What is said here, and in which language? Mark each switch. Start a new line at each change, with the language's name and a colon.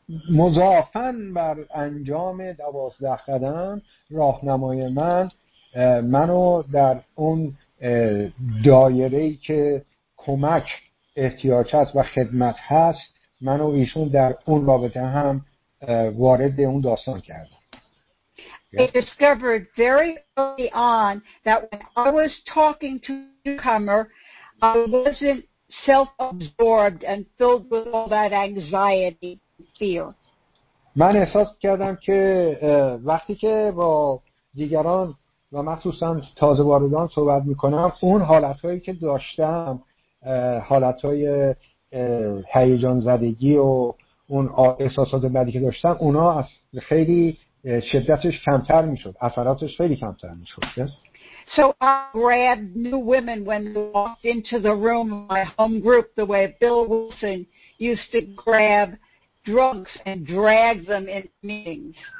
Persian: مضافاً بر انجام 12 قدم راهنمای من منو در اون دایره‌ای که کمک احتیاج هست و خدمت هست، منو ایشون در اون رابطه هم وارد اون داستان کرد.
English: I discovered very early on that when I was talking to newcomer, I wasn't self-absorbed and filled with all that anxiety and fear.
Persian: من احساس کردم که وقتی که با دیگران و مخصوصاً تازه واردان صحبت می‌کنم، اون حالت‌هایی که داشتم، حالت‌های هیجان زدگی و اون احساسات بدی که داشتم، اونا از خیلی شدتش کمتر می‌شد، اثراتش خیلی کمتر می‌شد.
English: So I grabbed new women when they walked into the room of my home group the way Bill Wilson used to grab drunks and drag them in meetings.